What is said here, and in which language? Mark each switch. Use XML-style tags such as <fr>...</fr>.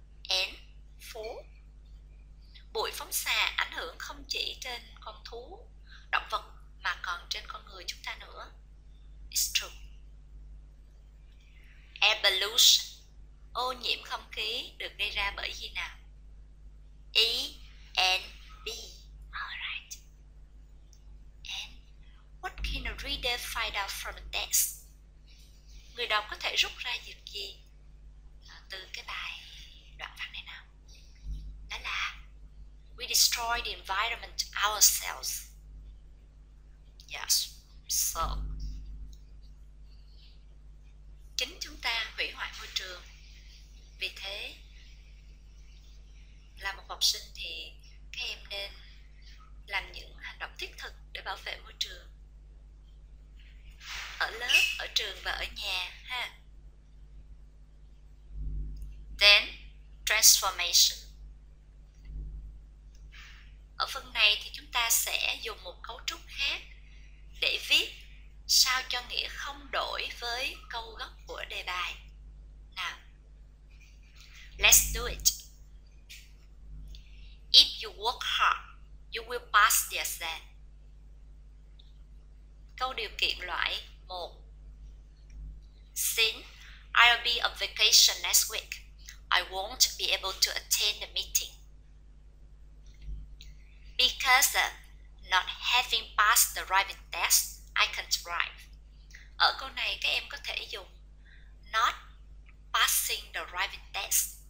<vi>And four, bụi phóng xạ ảnh hưởng không chỉ trên con thú, động vật mà còn trên con người chúng ta nữa. It's true. Air pollution, ô nhiễm không khí được gây ra bởi khi nào?</vi> <en>E and B. Alright. And what can a reader find out from a text?</en> <vi>Người đọc có thể rút ra được gì từ cái bài đoạn văn này nào?</vi> <en>Đó là we destroy the environment ourselves. Yes.</en> <vi>So chính chúng ta hủy hoại môi trường. Vì thế là một học sinh thì các em nên làm những hành động thiết thực để bảo vệ môi trường ở lớp, ở trường và ở nhà ha.</vi> <en>Then transformation.</en> <vi>Ở phần này thì chúng ta sẽ dùng một cấu trúc khác để viết sao cho nghĩa không đổi với câu gốc của đề bài nào.</vi> <en>Let's do it. If you work hard, you will pass the exam. Câu điều kiện loại 1. Since I'll be on vacation next week, I won't be able to attend the meeting. Because of not having passed the driving test, I can't drive.</en> <vi>Ở câu này các em có thể dùng not passing the driving test.</vi>